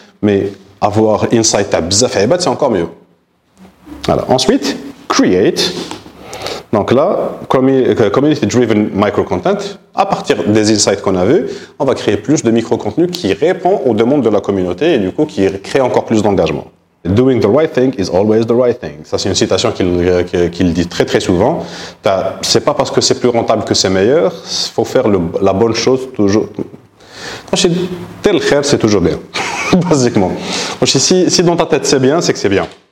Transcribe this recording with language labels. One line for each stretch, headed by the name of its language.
French: Mais avoir insight à Bzaf et Ebat, c'est encore mieux. Voilà. Ensuite, create. Donc là,
English: community-driven micro-content,
French: à partir des insights qu'on a vus, on va créer plus de micro-contenu qui répond aux demandes de la communauté et du coup qui crée encore plus d'engagement.
English: Doing the right thing is always the right thing.
French: Ça, c'est une citation qu'il dit très très souvent. C'est pas parce que c'est plus rentable que c'est meilleur, il faut faire la bonne chose toujours. Quand je dis
Arabic: tel khair,
French: c'est toujours bien, basiquement. Si dans ta tête c'est bien, c'est que c'est bien.